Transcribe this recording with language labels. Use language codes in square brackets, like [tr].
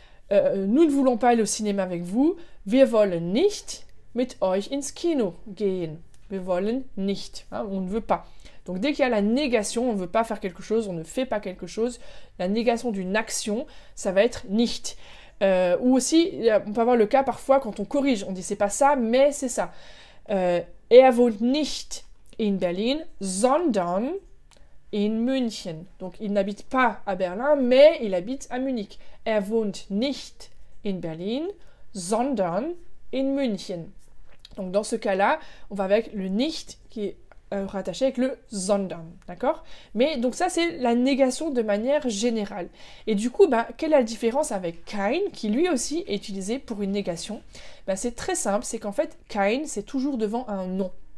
[fr] Nous ne voulons pas aller au cinéma avec vous, [de] wir wollen nicht mit euch ins Kino gehen. Wir wollen nicht, [fr] hein, on ne veut pas. Donc dès qu'il y a la négation, on ne veut pas faire quelque chose, on ne fait pas quelque chose, la négation d'une action, ça va être nicht. Ou aussi, on peut avoir le cas parfois quand on corrige, on dit c'est pas ça, mais c'est ça. [de] Er wohnt nicht in Berlin, sondern in München. [fr] Donc il n'habite pas à Berlin, mais il habite à Munich. [de] Er wohnt nicht in Berlin, sondern in München. [fr] Donc dans ce cas-là, on va avec le nicht qui est rattaché avec le sondern, d'accord? Mais donc ça, c'est la négation de manière générale. Et du coup, bah, quelle est la différence avec kein, qui lui aussi est utilisé pour une négation? Bah, c'est très simple, c'est qu'en fait, kein, c'est toujours devant un nom.